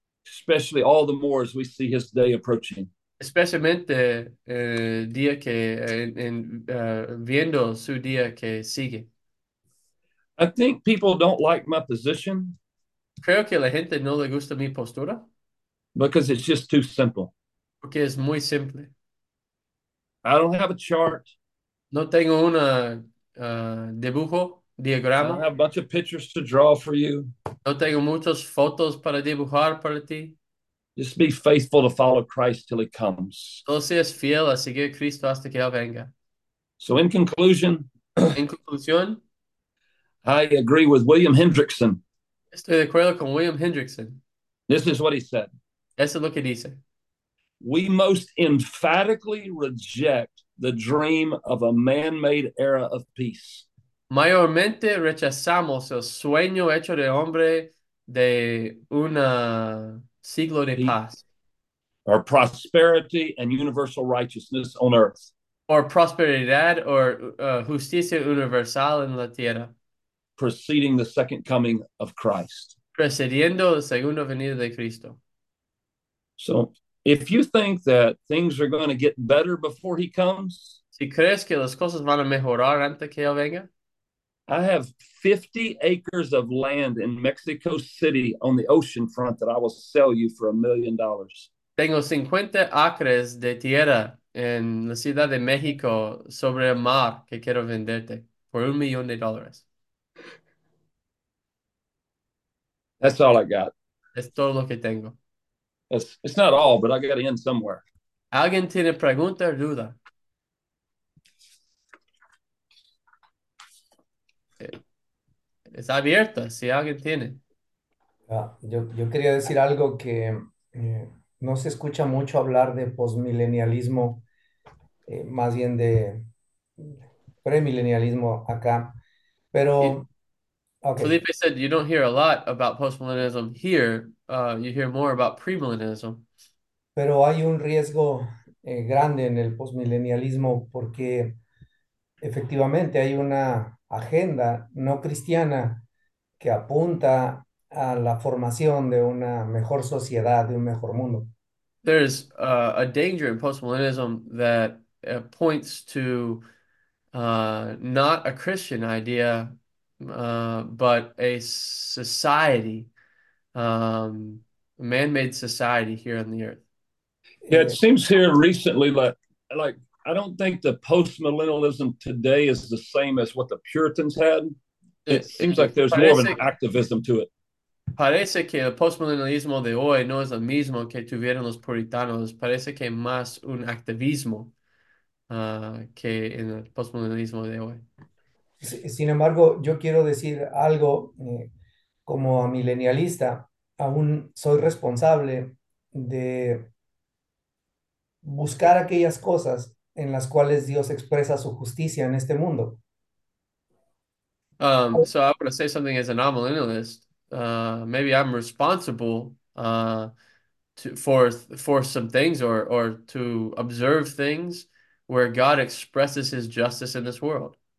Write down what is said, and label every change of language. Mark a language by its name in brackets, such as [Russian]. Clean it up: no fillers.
[English] especially all the more as we see his day approaching. [Spanish] Especialmente el día que viendo su día que sigue. [English] I think people don't like my position [Spanish] Creo que a la gente no le gusta mi postura [English] because it's just too simple. [Spanish] porque es muy simple. [English] I don't have a chart. [Spanish] No tengo una dibujo, [English] I don't [Spanish] diagrama. [English] have a bunch of pictures to draw for you. [Spanish] No tengo muchas fotos para dibujar para ti. [English] Just be faithful to follow Christ till he comes. [Spanish] Todo seas fiel a seguir a Cristo hasta que Él venga. [English] So, in conclusion, [Spanish] En conclusión, [English] I agree with William Hendrickson. [Spanish] estoy de acuerdo con William Hendrickson. [English] This is what he said. [Spanish] Eso es lo que dice. [English] We most emphatically reject the dream of a man-made era of peace. [Spanish] Mayormente rechazamos el sueño hecho de hombre de un siglo de [English] Peace. [Spanish] paz. [English] Or prosperity and universal righteousness on earth. [Spanish] O prosperidad o justicia universal en la tierra. [English] Preceding the second coming of Christ. [Spanish] Precediendo la segunda venida de Cristo. [English] So, if you think that things are going to get better before he comes, [Spanish] Si crees que las cosas van a mejorar antes que él venga. [English] I have 50 acres of land in Mexico City on the ocean front that I will sell you for $1 million. [Spanish] Tengo 50 acres de tierra en la Ciudad de México sobre el mar que quiero venderte por $1,000,000. [English] That's all I got. [Spanish] Es todo lo que tengo. [English] It's not all, but I got to end somewhere. [Spanish] ¿Alguien tiene pregunta o duda? Es abierta, si alguien tiene. Yo quería decir algo que no se escucha mucho hablar de posmilenialismo, más bien de premilenialismo acá, pero, ok. [English] Felipe said you don't hear a lot about postmillennialism here. You hear more about premillennialism. [Spanish] Pero hay un riesgo grande en el posmilenialismo porque efectivamente hay una agenda no cristiana que apunta a la formación de una mejor sociedad, de un mejor mundo. [English] There's a danger in postmillennialism that points to not a Christian idea, but a society, man-made society here on the earth. Yeah, it seems here recently like I don't think the postmillennialism today is the same as what the Puritans had. It seems like there's more of an activism to it. [Spanish] Parece que el postmillennialismo de hoy no es el mismo que tuvieron los puritanos. Parece que más un activismo que en el postmillennialismo de hoy. Sin embargo, yo quiero decir algo como a milenialista, aún soy responsable de buscar aquellas cosas en las cuales Dios expresa su justicia en este mundo. [English] So I would say something as an amillennialist. Maybe I'm responsible for some things or to observe things where God expresses his justice in this world.